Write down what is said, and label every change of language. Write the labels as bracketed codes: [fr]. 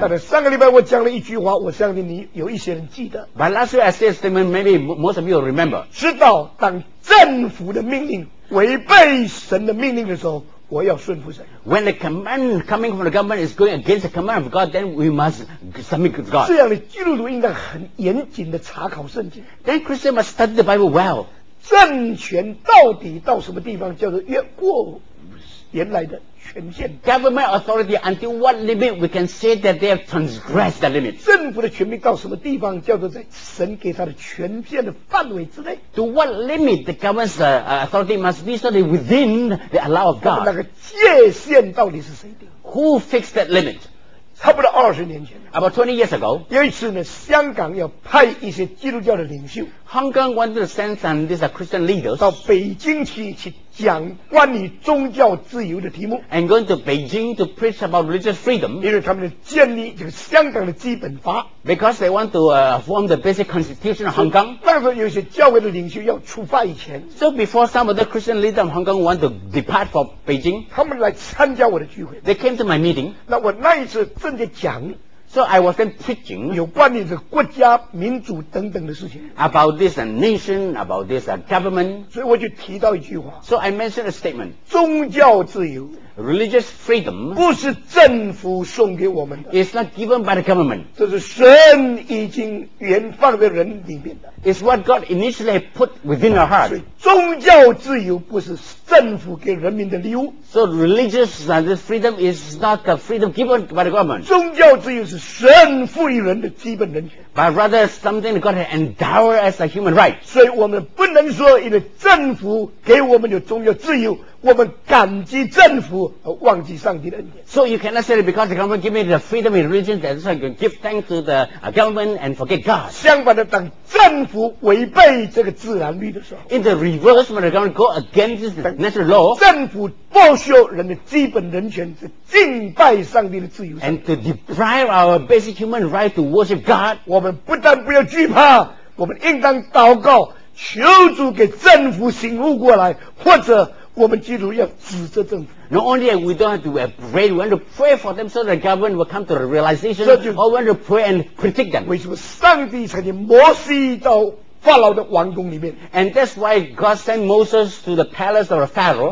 [zh] 但是上个礼拜我讲了一句话，我相信你有一些人记得。 [en] But last week I said a statement, maybe most of you will remember. [zh] 知道当政府的命令违背神的命令的时候，我要顺服神。 [en] When the command coming from the government is going against the command of God, then we must submit to God. [zh] 这样的基督徒应该很严谨的查考圣经。 [en] Then Christians must study the Bible well. [zh] 政权到底到什么地方叫做越过原来的权限？ [en] Government authority until what limit we can say that they have transgressed the limit? [zh] 政府的权柄到什么地方叫做在神给他的权限的范围之内？ [en] To what limit the government's authority must be so that within the allow of God? [zh] 那个界限到底是谁定？ [en] Who fixed that limit? [zh] 差不多二十年前， [en] About 20 years ago, [zh] 有一次呢，香港要派一些基督教的领袖， [en] Hong Kong wanted to send some these Christian leaders [zh] 到北京去讲关于宗教自由的题目， [en] and going to Beijing to preach about religious freedom, [zh] 因为他们要建立这个香港的基本法， [en] because they want to form the basic constitution of Hong Kong. [zh] 当时有些教会的领袖要出发以前， [en] so before some of the Christian leaders of Hong Kong want to depart for Beijing, [zh] 他们来参加我的聚会， [en] they came to my meeting. [zh] 那我那一次正在讲， [en] so I was then preaching [zh] 有关于这个国家民主等等的事情， [en] about this nation, about this government. [zh] 所以我就提到一句话， [en] so I mentioned a statement, [zh] 宗教自由， [en] religious freedom, [zh] 不是政府送给我们的， [en] it's not given by the government, [zh] 这是神已经原放在人里面的， [en] it's what God initially put within our heart. [zh] 所以宗教自由不是政府给人民的礼物， [en] so religious freedom is not the freedom given by the government. [zh] 宗教自由是神赋予人的基本人权， [en] but rather something God has endowed as a human right. [zh] 所以我们不能说因为政府给我们有宗教自由我们感激政府而忘记上帝的恩典。 [en] So you cannot say that because the government gave me the freedom in religion that I can give thanks to the government and forget God. [zh] 相反的，当政府违背这个自然律的时候， [en] in the reverse when the government go against this natural law, [zh] 政府剥削人的基本人权，是敬拜上帝的自由。 [en] And to deprive our basic human right to worship God， [zh] 我们不但不要惧怕，我们应当祷告，求主给政府醒悟过来，或者我们基督徒要指责政府。 [en] Not only we don't have to pray, we want to pray for them so the government will come to the realization, or we want to pray and critique them。 [zh] 为什么上帝才给摩西到？法老的王宫里面。 [en] And that's why God sent Moses to the palace of Pharaoh.